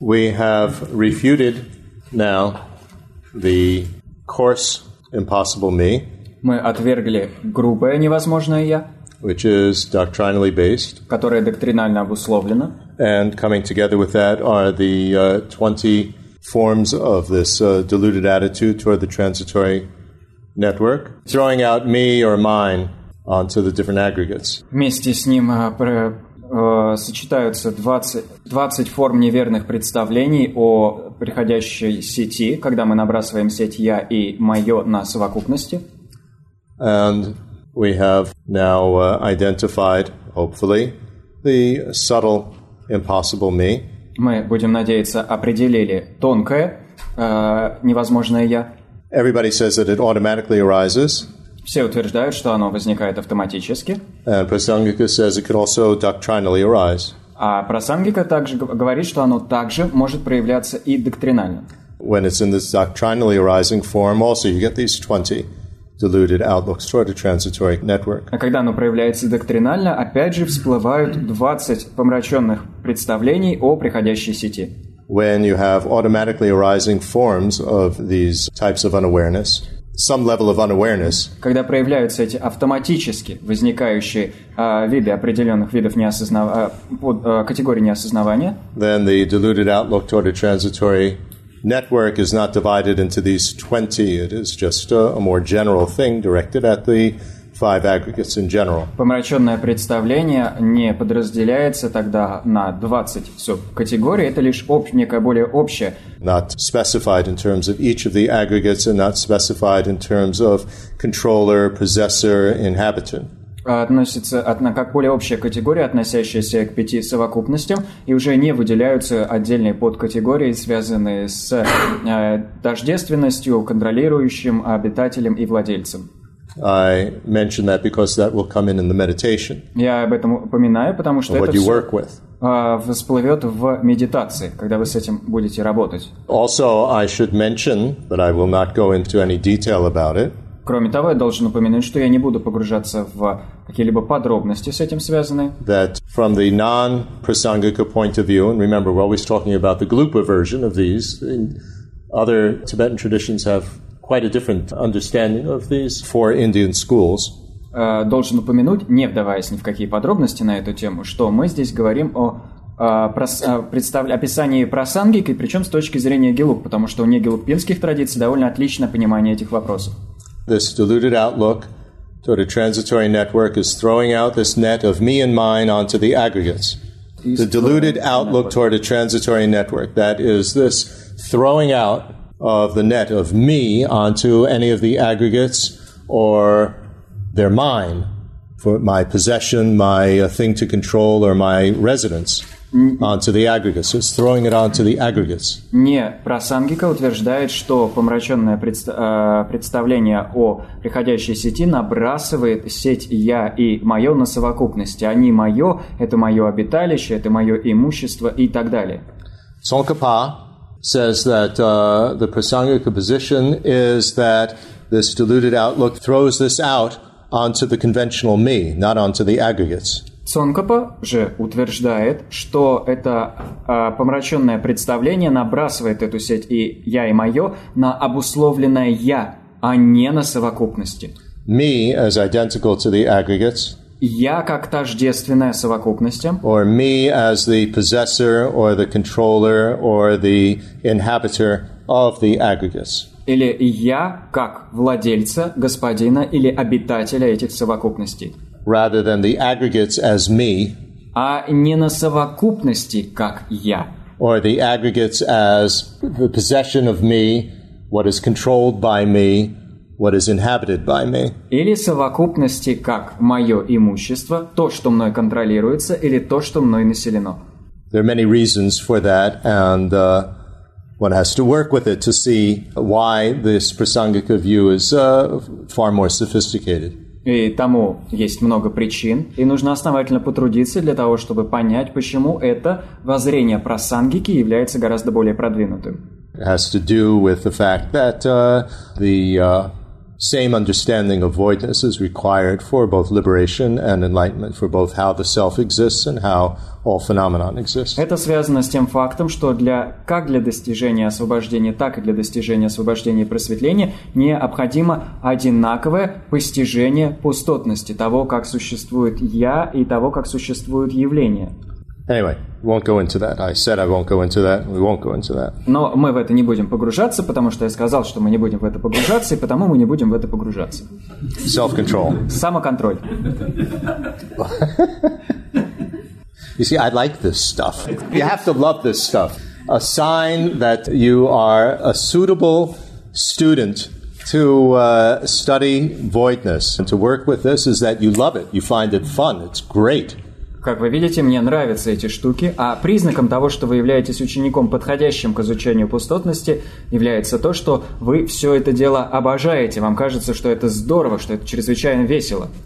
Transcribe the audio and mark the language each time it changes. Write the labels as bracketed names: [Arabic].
[English] We have refuted now the coarse impossible me. [Russian] Мы отвергли грубое невозможное я, [English] which is doctrinally based, [Russian] которое доктринально обусловлено. [English] And coming together with that are the 20 forms of this deluded attitude toward the transitory network, throwing out me or mine onto the different aggregates. [Russian] Вместе с ним сочетаются 20 форм неверных представлений о приходящей сети, когда мы набрасываем сеть «я» и «моё» на совокупности. [English] And we have now identified, hopefully, the subtle impossible me. [Russian] Мы будем надеяться, определили тонкое невозможное я. [English] Everybody says that it automatically arises. [Russian] Все утверждают, что оно возникает автоматически. [English] And Prasangika says it could also doctrinally arise. [Russian] А Прасангика также говорит, что оно также может проявляться и доктринально. [English] When it's in this doctrinally arising form, also you get these 20 deluded outlooks toward a transitory network. [Russian] А когда оно проявляется доктринально, опять же всплывают 20 помраченных представлений о приходящей сети. [English] When you have automatically arising forms of these types of unawareness, some level of unawareness. [Russian] Когда проявляются эти автоматически возникающие виды определенных видов категории неосознавания, [English] then the deluded outlook toward a transitory network is not divided into these 20. It is just a more general thing directed at the five aggregates in general. [Russian] Помраченное представление не подразделяется тогда на 20 субкатегорий. Это лишь некое более общее. [English] Not specified in terms of each of the aggregates and not specified in terms of controller, possessor, inhabitant. [Russian] Относится как более общая категория, относящаяся к пяти совокупностям, и уже не выделяются отдельные подкатегории, связанные с тождественностью, контролирующим обитателем и владельцем. [English] I mention that because that will come in the meditation. [Russian] Я об этом упоминаю, потому что [English] what [Russian] это [English] you work with. [Russian] Всплывет в медитации, когда вы с этим будете работать. [English] Also, I should mention, but I will not go into any detail about it. [Russian] Кроме того, я должен упомянуть, что я не буду погружаться в какие-либо подробности с этим связаны. [English] That from the non-prasangika point of view, and remember, we're always talking about the glupa version of these. In other Tibetan traditions have quite a different understanding of these four Indian schools. [Russian] Должен упомянуть, не вдаваясь ни в какие подробности на эту тему, что мы здесь говорим о описании прасангики, причем с точки зрения гелуг, потому что у негелугпинских традиций довольно отличное понимание этих вопросов. [English] This deluded outlook toward a transitory network is throwing out this net of me and mine onto the aggregates. The deluded outlook toward a transitory network, that is this throwing out of the net of me onto any of the aggregates or their mine, for my possession, my thing to control, or my residence. Onto the aggregates. It's throwing it onto the aggregates. [Russian] Не прасангика утверждает, что помраченное представление о приходящей сети набрасывает сеть «я» и «моё» на совокупности. Они «моё», это «моё» обиталище, это «моё» имущество и так далее. [English] Tsongkhapa says that the prasangika position is that this deluded outlook throws this out onto the conventional «me», not onto the aggregates. [Russian] Цонкопа же утверждает, что это помраченное представление набрасывает эту сеть и «я» и «моё» на обусловленное «я», а не на совокупности. [English] Me as identical to the aggregates. [Russian] «Я» как тождественная совокупностям. [English] Or me as the possessor or the controller or the inhabitor of the aggregates. [Russian] Или «я» как владельца, господина или обитателя этих совокупностей. [English] Rather than the aggregates as me, [Russian] а не на совокупности как я, [English] or the aggregates as the possession of me, what is controlled by me, what is inhabited by me, [Russian] или совокупности как мое имущество, то, что мной контролируется, или то, что мной населено. [English] There are many reasons for that, and one has to work with it to see why this prasangika view is far more sophisticated. [Russian] И тому есть много причин, и нужно основательно потрудиться для того, чтобы понять, почему это воззрение прасангики является гораздо более продвинутым. [English] It has to do with the fact that the same understanding of voidness is required for both liberation and enlightenment, for both how the self exists and how all phenomena exist. [Russian] Это связано с тем фактом, что для как для достижения освобождения, так и для достижения освобождения и просветления необходимо одинаковое постижение пустотности того, как существует я и того, как существуют явления. [English] Anyway, won't go into that. I said I won't go into that. We won't go into that. [Russian] Но мы в это не будем погружаться, потому что я сказал, что мы не будем в это погружаться, и потому мы не будем в это погружаться. [English] Self-control. [Russian] Самоконтроль. [English] You see, I like this stuff. You have to love this stuff. A sign that you are a suitable student to study voidness and to work with this is that you love it. You find it fun. It's great. [Russian] Как вы видите, мне нравятся эти штуки, а признаком того, что вы являетесь учеником, подходящим к изучению пустотности, является то, что вы все это дело обожаете. Вам кажется, что это здорово, что это чрезвычайно весело.